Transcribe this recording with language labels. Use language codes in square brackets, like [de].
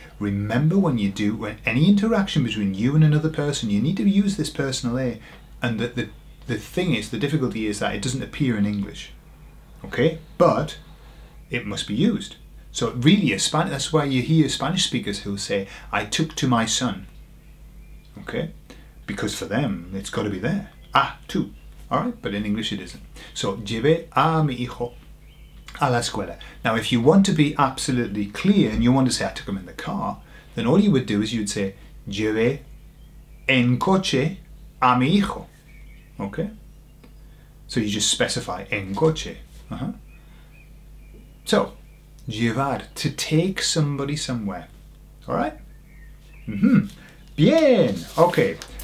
[en] Remember when you do, when any interaction between you and another person, you need to use this personal A, and the thing is, the difficulty is that it doesn't appear in English, okay? But it must be used. So really, that's why you hear Spanish speakers who say, I took to my son, okay? Because for them, it's got to be there. Ah, tú. All right, but in English it isn't. [es] So, llevé a mi hijo a la escuela. [en] Now, if you want to be absolutely clear and you want to say, I took him in the car, then all you would do is you'd say, [es] llevé en coche a mi hijo. [en] Okay? So you just specify en coche. Uh-huh. So, llevar, to take somebody somewhere. All right? Mm-hmm. Bien. Okay.